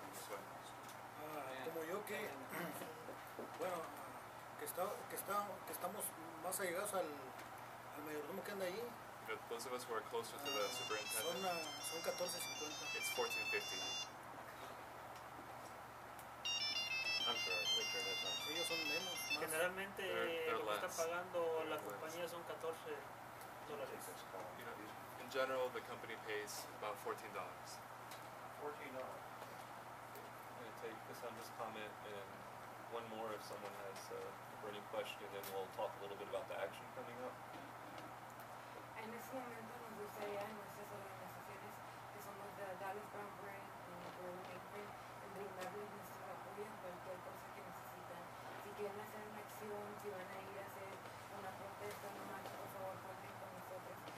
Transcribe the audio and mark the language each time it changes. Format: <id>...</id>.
<es>Como yo que bueno que estamos más allegados al mayordomo que anda ahí.</es> <en>But those of us who are closer to the superintendent.</en> <es>Son 14.50.</es> <en>It's 14.50. I'm sorry.</en> <es>Ellos son menos. Generalmente lo que está pagando la compañía son $14.</es> <en>In general, the company pays about $14. $14. Take this on this comment, and one more if someone has a burning question, then we'll talk a little bit about the action coming up.</en> <es>En ese momento nos gustaría en nuestras organizaciones que somos de Dallas Brown Brand y Brown brindarles nuestro apoyo en cualquier cosa que necesitan. Si quieren hacer una acción, si van a ir a hacer una protesta, no manches, por favor, cuenten con nosotros.</es>